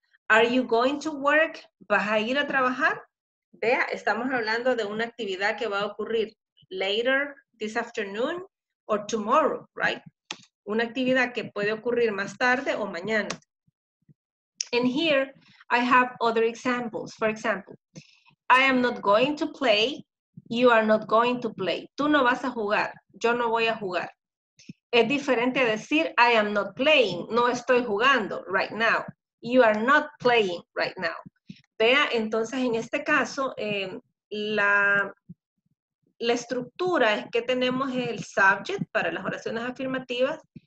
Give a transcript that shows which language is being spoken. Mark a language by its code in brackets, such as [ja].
[en] Are you going to work, [es] vas a ir a trabajar? Vea, estamos hablando de una actividad que va a ocurrir [en] later, this afternoon, or tomorrow, right? [es] Una actividad que puede ocurrir más tarde o mañana. [en] And here, I have other examples. For example, I am not going to play, you are not going to play. [es] Tú no vas a jugar, yo no voy a jugar. Es diferente a decir, [en] I am not playing, [es] no estoy jugando [en] right now. You are not playing right now. [es] Vea, entonces en este caso, la estructura es que tenemos el subject para las oraciones afirmativas.